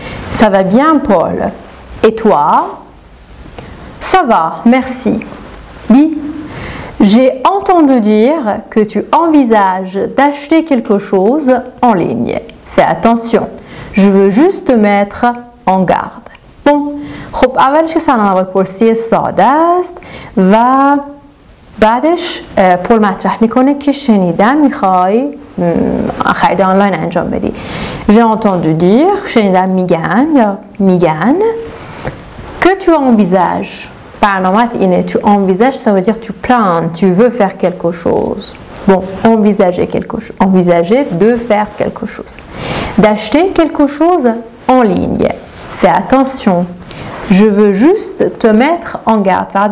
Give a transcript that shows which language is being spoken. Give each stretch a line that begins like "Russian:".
French: Ça va bien, Paul. Et toi? Ça va, merci. Dis, j'ai entendu dire que tu envisages d'acheter quelque chose en ligne. Fais attention, je veux juste te mettre en garde.
Persian: Bon, خب اولش که سلام آقای پرسی ساده است و بعدش پول مطرح میکنه که شنیدم میخوای خرید آنلاین انجام بدی.
French: J'ai entendu dire,
Persian: شنیدم میگن یا میگن که
French: tu envisages. Parnomat iné, tu envisages, ça veut dire tu plains, tu veux faire quelque chose. Bon, envisager quelque chose, envisager de faire quelque chose. D'acheter quelque chose en ligne. Fais attention, je veux juste te mettre en garde.